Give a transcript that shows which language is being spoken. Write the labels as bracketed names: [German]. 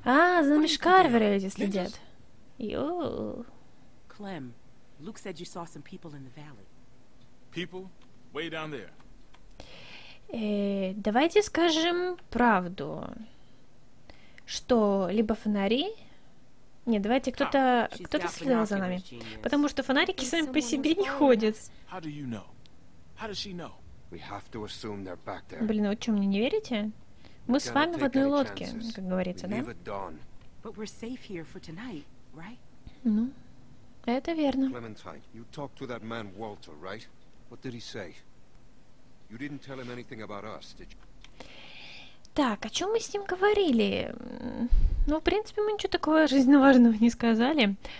[Russian] А, за нами Шкарвера эти следят. Йоу. [English] Клем, Люк said you saw some people in the valley. People? Way down there. [Russian] Давайте скажем правду. Что, либо фонари... Нет, давайте, кто-то следовал за нами. Потому что фонарики сами по себе не ходят. [English] How do you know? How does she know? We have to assume they're back there. [Russian] Блин, вы что, мне не верите? Мы с вами в одной лодке, как говорится, да? [English] But we're safe here for tonight, right? [Russian] Ну, это верно. [English] Clementine, you talked to that man Walter, right? What did he say? You didn't tell him anything about us, did you? [Russian] Так, о чем мы с ним говорили? Ну, в принципе, мы ничего такого жизненно важного не сказали.